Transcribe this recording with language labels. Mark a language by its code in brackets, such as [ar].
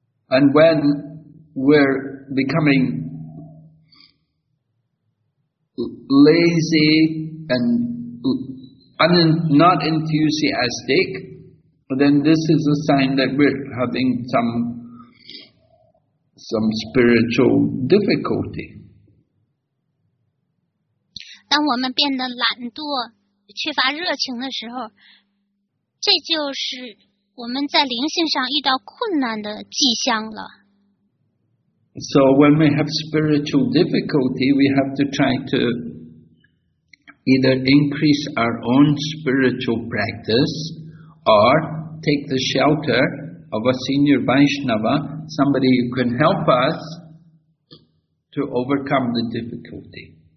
[en] And when we're becoming lazy and not enthusiastic, then this is a sign that we're having some spiritual difficulty. [zh] 当我们变得懒惰，缺乏热情的时候，这就是我们在灵性上遇到困难的迹象了。 [en] So when we have spiritual difficulty, we have to try to either increase our own spiritual practice or take the shelter of a senior Vaishnava, somebody who can help us to overcome the difficulty.